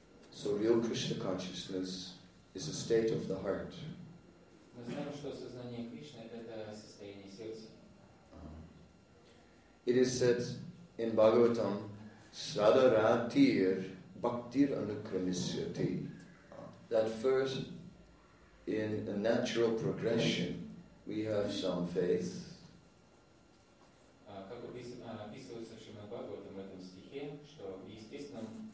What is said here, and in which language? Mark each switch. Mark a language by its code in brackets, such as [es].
[en] So real Krishna consciousness is a state of the heart. [ru] Мы знаем, что сознание Кришны это состояние сердца. [en] It is said in Bhagavatam, [sa] Sadaratir Bhaktir Anukramisyati. [en] That first, in a natural progression, we have some faith. [ru] Как описывается в Шримад Бхагаватам в этом стихе, что в естественном